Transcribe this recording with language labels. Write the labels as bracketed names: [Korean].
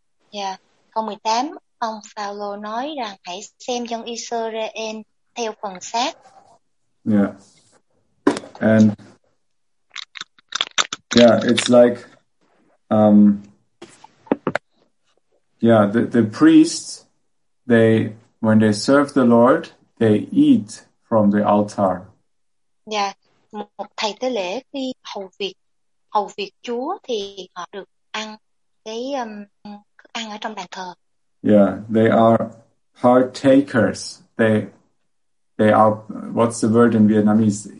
[Vietnamese] Yeah, câu 18, ông Phaolô nói rằng hãy xem dân Israel theo phần xác. [English] Yeah, and yeah, it's like the priests, they when they serve the Lord, they eat from the altar. [Vietnamese] Yeah, một thầy tế lễ khi hầu việc Chúa thì họ được ăn cái ăn ở trong bàn thờ. [English] Yeah, they are partakers. They are, what's the word in Vietnamese?